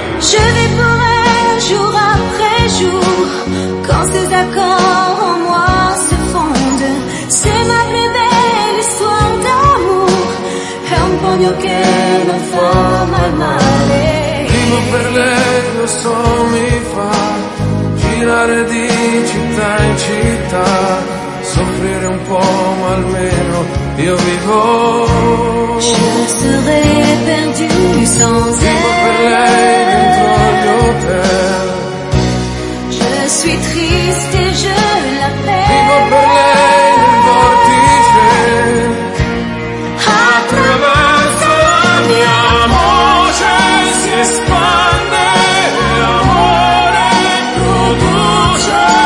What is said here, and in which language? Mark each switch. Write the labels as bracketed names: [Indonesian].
[French] Je vais pour elle jour après jour, quand ses accords en moi se fondent. C'est ma plus belle histoire d'amour, [Italian] è un pugno che non fa mai male. Vivo per lei, lo so, mi fa girare di città in città, soffrire un po', ma almeno io vivo. [French] Je serai perdu sans [Italian] vivo [French] elle. [Italian] Per lei, [French] je suis triste et je la perds. [Italian] Vivo per lei nel vortice, attraverso la mia voce si espande e l'amore produce.